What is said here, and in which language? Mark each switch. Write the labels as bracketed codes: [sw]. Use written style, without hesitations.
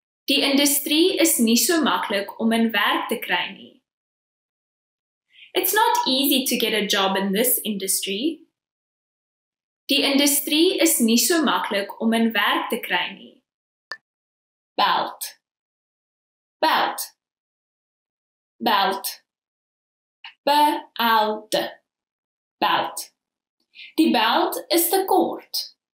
[af] Die industrie is nie so maklik om in werk te kry nie. [en] It's not easy to get a job in this industry. [af] Die industrie is nie so maklik om in werk te kry nie. Belt. [en] Belt. [af] Belt. Belt. [en] Belt. [af] Die belt is te kort.